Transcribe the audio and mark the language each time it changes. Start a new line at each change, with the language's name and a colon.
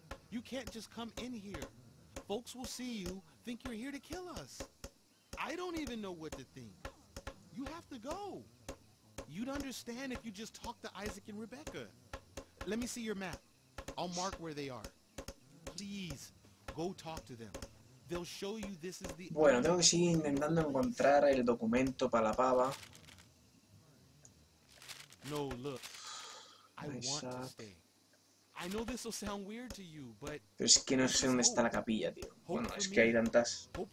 English: You can't just come in here. Folks will see you, think you're here to kill us. I don't even know what to think. You have to go. You'd understand if you just talked to Isaac and Rebecca. Let me see your map. I'll mark where they are. Please, go talk to them. They'll show you this is the...
Spanish: Bueno, tengo que seguir intentando encontrar el documento para la pava.
English: No, look. I want to stay. I know this will sound weird to you, but
Spanish: pero es que no sé dónde está la capilla, tío. Bueno, es que hay tantas.